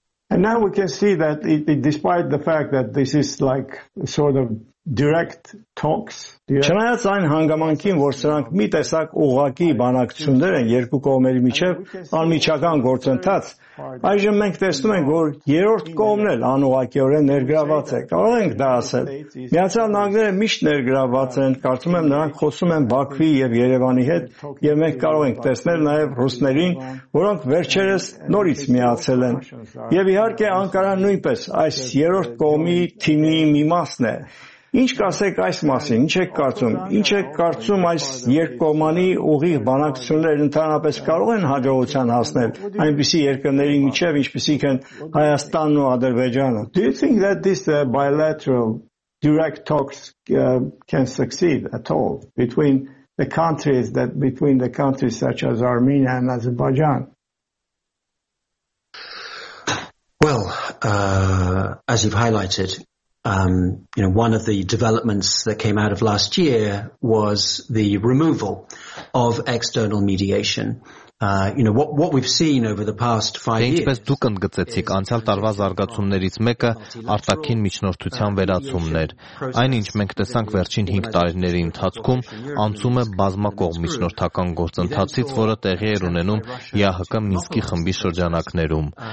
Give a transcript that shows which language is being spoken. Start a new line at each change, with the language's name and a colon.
English: And now we can see that despite the fact that this is like sort of direct talks,
Armenian: չնայած այն հանգամանքին, որ սրանք մի տեսակ ուղղակի բանակցություններ են երկու կողմերի միջև անմիջական գործընթաց, այժմ մենք տեսնում ենք, որ երրորդ կողմն էլ անուղղակիորեն ներգրավված է, կարող ենք դա ասել։ Միացյալ Նահանգները միշտ ներգրավված են, կարծում եմ նրանք խոսում են Բաքվի և Երևանի հետ, և մենք կարող ենք տեսնել նաև ռուսներին, որոնք վերջերս նորից միացել են։ Եվ իհարկե Անկարան նույնպես այս երրորդ կողմի թիմի մի մասն է։ Ինչ կասեք այս մասին, ինչ եք կարծում, ինչ եք կարծում այս երկկողմանի ուղիղ բանակցություններ ընդհանրապես կարող են հաջողության հասնել այնպիսի երկրների միջև, ինչպիսիք են Հայաստանն ու Ադրբեջանը?
English: Do you think that this bilateral direct talks can succeed at all between the countries that between the countries such as Armenia and Azerbaijan? Well, as you've highlighted, you know, one of the developments that came out of last year was the removal of external mediation. You know, what we've seen over the past 5 years.
Armenian: Ինչպես դուք ընդգծեցիք, անցյալ տարվա զարգացումներից մեկը արտաքին միջնորդության վերացումներ։ Այնինչ մենք տեսանք վերջին 5 տարիների ընթացքում, անցում է բազմակողմ միջնորդական գործընթացից, որը տեղի էր ունենում ԵԱՀԿ Մինսկի խմբի շրջանակներում։